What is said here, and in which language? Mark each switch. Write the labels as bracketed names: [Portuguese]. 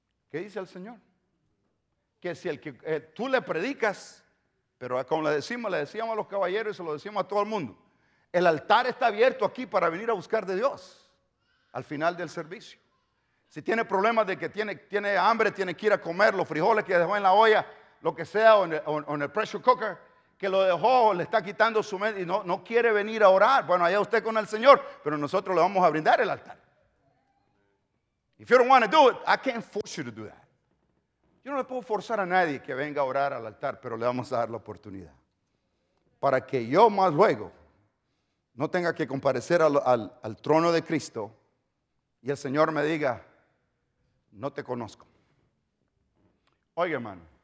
[Spanish] ¿Qué dice el Señor? Que si el que tú le predicas, pero como le decíamos a los caballeros y se lo decimos a todo el mundo, el altar está abierto aquí para venir a buscar de Dios al final del servicio. Si tiene problemas de que tiene hambre, tiene que ir a comer los frijoles que dejó en la olla, lo que sea, o en el pressure cooker, que lo dejó, le está quitando su mente y no quiere venir a orar, bueno, allá usted con el Señor, pero nosotros le vamos a brindar el altar. [English] If you don't want to do it, I can't force you to do that. [Spanish] Yo no le puedo forzar a nadie que venga a orar al altar, pero le vamos a dar la oportunidad. Para que yo más luego no tenga que comparecer al trono de Cristo y el Señor me diga: no te conozco. Oye, hermano.